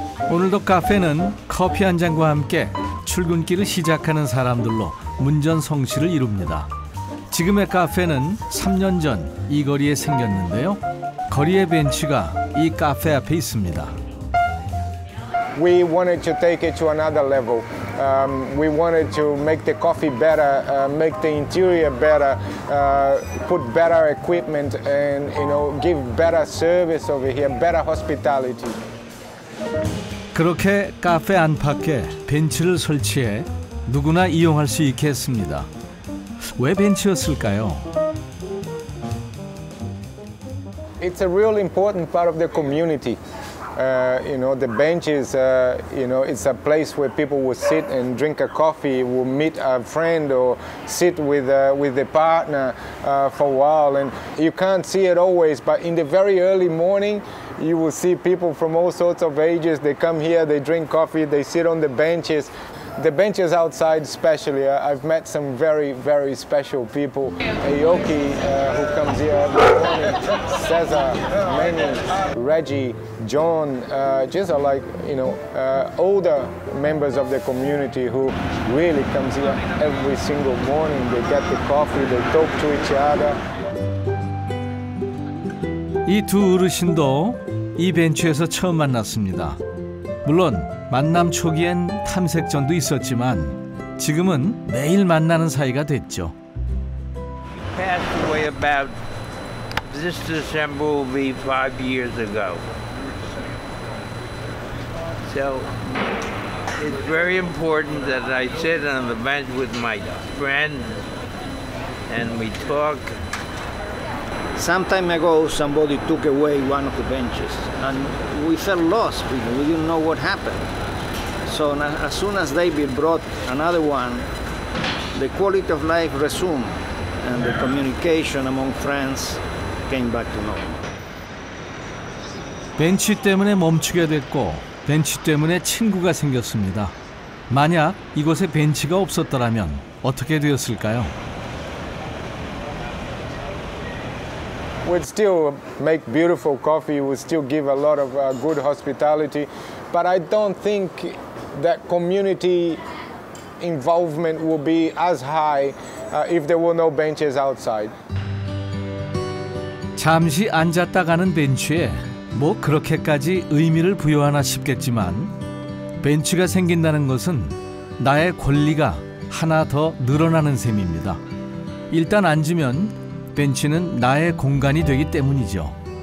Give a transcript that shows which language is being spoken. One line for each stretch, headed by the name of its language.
Korean: 오늘도 카페는 커피 한 잔과 함께 출근길을 시작하는 사람들로 문전성시를 이룹니다. 지금의 카페는 3년 전 이 거리에 생겼는데요. 거리의 벤치가 이 카페 앞에 있습니다.
English: We wanted to take it to another level. We wanted to make the coffee better, make the interior better, put better equipment and, you know, give better service over here, better hospitality.
Korean: 그렇게 카페 안팎에 벤치를 설치해 누구나 이용할 수 있게 했습니다. 왜 벤치였을까요?
English: It's a real important part of the community. You know, the bench is, you know, it's a place where people will sit and drink a coffee, will meet a friend or sit with the partner for a while. And you can't see it always, but in the very early morning, you will see people from all sorts of ages. They come here, they drink coffee, they sit on the benches. The benches outside especially, I've met some very, very special people. Aoki, who comes here every morning, Cesar, Manny, Reggie, John, just are like, you know, older members of the community who really comes here every single morning. They get the coffee, they talk to each other.
Korean: 이 두 어르신도 이 벤치에서 처음 만났습니다. 물론 만남 초기엔 탐색전도 있었지만 지금은 매일 만나는 사이가 됐죠.
English: Passed away about this December will be 5 years ago. So it's very important that I sit on the bench with my friend and we talk. Some time ago, somebody took away one of the benches, and we felt lost. We didn't know what happened. So as soon as they brought another one, the quality of life resumed, and the communication among friends came back to normal.
Korean: 벤치 때문에 멈추게 됐고, 벤치 때문에 친구가 생겼습니다. 만약 이곳에 벤치가 없었더라면 어떻게 되었을까요?
English: We'd still make beautiful coffee, we'd still give a lot of good hospitality, but I don't think that community involvement would be as high if there were no benches outside.
Korean: 잠시 앉았다 가는 벤치에 뭐 그렇게까지 의미를 부여하나 싶겠지만 벤치가 생긴다는 것은 나의 권리가 하나 더 늘어나는 셈입니다. 일단 앉으면 벤치는 나의 공간이 되기 때문이죠.